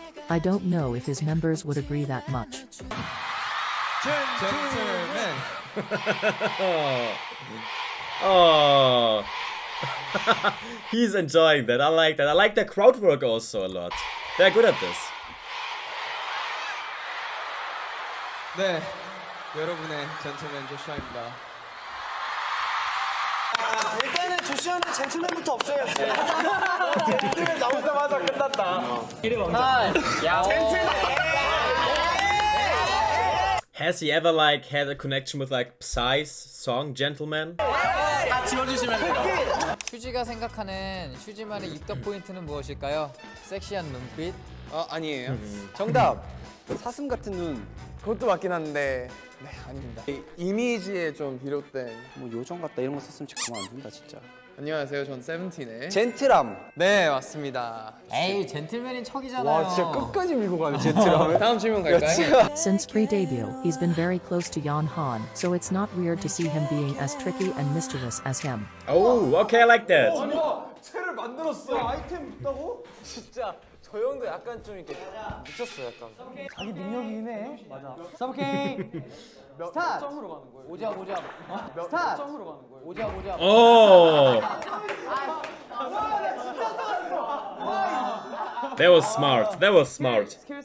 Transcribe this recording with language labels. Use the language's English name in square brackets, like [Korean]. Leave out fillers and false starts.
[English] I don't know if his members would agree that much. Gentlemen! Oh. He's enjoying that. I like that. I like the crowd work also a lot. They're good at this. [Korean] 네, 여러분의 젠틀맨 조슈아입니다. 일단은 조수현은 젠틀맨부터 없어야지. 젠틀맨 나오자마자 끝났다. 이리 먼저. 젠틀맨! [English] Has he ever like had a connection with like Psy's song Gentleman? [Korean] 다 지워주시면 돼요. 휴지가 생각하는 휴지만의 입덕 포인트는 무엇일까요? 섹시한 눈빛? 어 아니에요. 정답. 사슴 같은 눈. 그것도 맞긴 한데 네 아닙니다. 이미지에 좀 비롯된 뭐 요정 같다 이런 거 썼으면 정말 안 된다 진짜. 안녕하세요, 전 세븐틴의 젠틀함! 네, 맞습니다. 에이, 젠틀맨인 척이잖아요. 와, 진짜 끝까지 밀고 가네, 젠틀함을. 다음 질문 갈까요? [English] Since pre-debut, he's been very close to Yeon Han, so it's not weird to see him being as tricky and mischievous as him. Oh, okay, I like that. [Korean] 아니, 채를 만들었어. 아이템 있다고? 진짜, 저 형도 약간 좀 이렇게 미쳤어요, 약간. 자기 능력이네. 맞아. 서브킹! [English] That was smart. That was smart.